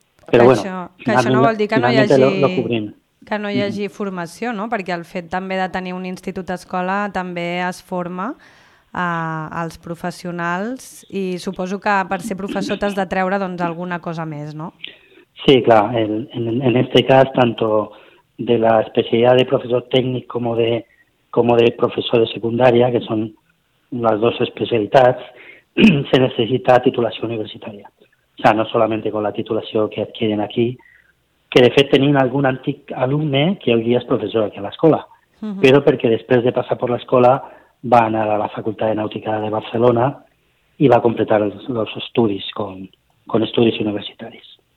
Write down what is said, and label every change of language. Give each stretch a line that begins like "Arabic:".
Catalan: Però bé, Que això no vol dir finalment lo cobrim. que no hi hagi formació, no? Perquè el fet també de tenir un institut d'escola també es forma als professionals i suposo que per ser professor t'has de treure doncs alguna cosa més, no?
Spanish: Sí, clar, en este cas, tanto de la especialidad de profesor técnico como de profesor de secundaria, que son las dos especialidades, se necesita titulación universitaria. O sea, no solamente con la titulación que adquieren aquí,
Catalan: que de fet tenim algun antic alumne que avui és professor aquí a l'escola, però perquè després de passar per l'escola va anar a la Facultat de Nàutica de Barcelona i va completar els estudis con estudis universitaris.